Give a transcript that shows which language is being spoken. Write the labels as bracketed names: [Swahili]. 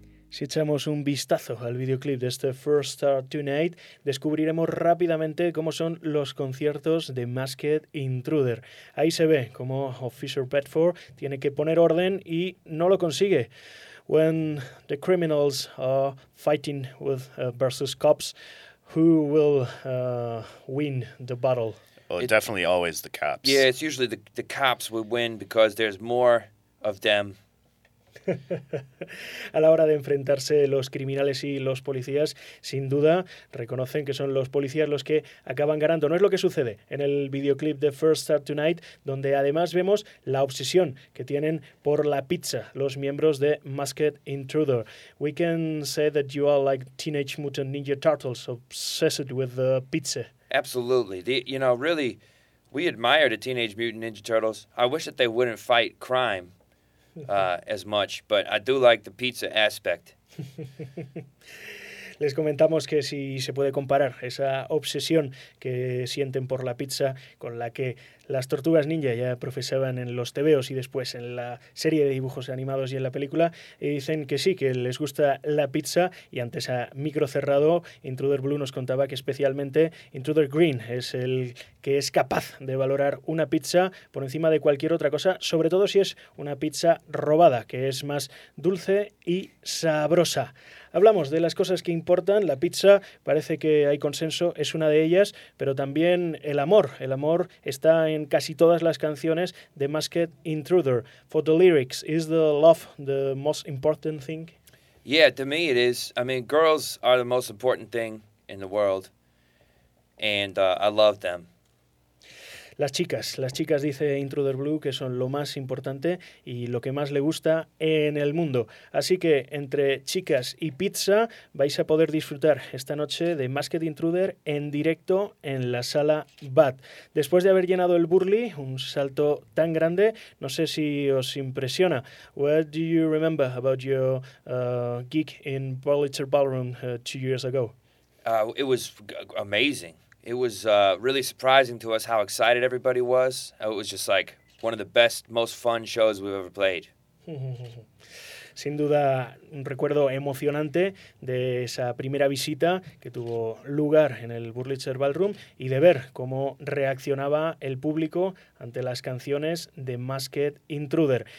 [Spanish] Si echamos un vistazo al videoclip de este First Star Tonight, descubriremos rápidamente cómo son los conciertos de Masked Intruder. Ahí se ve cómo Officer Bedford tiene que poner orden y no lo consigue. [English] When the criminals are fighting with versus cops, who will win the battle? Oh, it, definitely always the cops. Yeah, it's usually the cops will win because there's more of them. [Spanish] A la hora de enfrentarse los criminales y los policías, sin duda reconocen que son los policías los que acaban ganando. No es lo que sucede en el videoclip de First Star Tonight, donde además vemos la obsesión que tienen por la pizza los miembros de Masked Intruder. [English] We can say that you are like Teenage Mutant Ninja Turtles, obsessed with the pizza. Absolutely. You know, really, we admire the Teenage Mutant Ninja Turtles. I wish that they wouldn't fight crime as much, but I do like the pizza aspect. [Spanish] Les comentamos que si se puede comparar esa obsesión que sienten por la pizza con la que las tortugas ninja ya profesaban en los tebeos y después en la serie de dibujos animados y en la película, y dicen que sí, que les gusta la pizza. Y ante esa micro cerrado, Intruder Blue nos contaba que especialmente Intruder Green es el que es capaz de valorar una pizza por encima de cualquier otra cosa, sobre todo si es una pizza robada, que es más dulce y sabrosa. Hablamos de las cosas que importan. La pizza, parece que hay consenso, es una de ellas, pero también el amor. El amor está en casi todas las canciones de Masked Intruder. [English] For the lyrics, is the love the most important thing? Yeah, to me it is. I mean, girls are the most important thing in the world, and I love them. [Spanish] Las chicas, dice Intruder Blue, que son lo más importante y lo que más le gusta en el mundo. Así que entre chicas y pizza vais a poder disfrutar esta noche de Masked Intruder en directo en la sala BAT. Después de haber llenado el Burley, un salto tan grande, no sé si os impresiona. [English] What do you remember about your gig in Burlitzer Ballroom 2 years ago? It was amazing. It was really surprising to us how excited everybody was. It was just like one of the best, most fun shows we've ever played. [Spanish] Sin duda, un recuerdo emocionante de esa primera visita que tuvo lugar en el Burlitzer Ballroom y de ver cómo reaccionaba el público ante las canciones de Masked Intruder.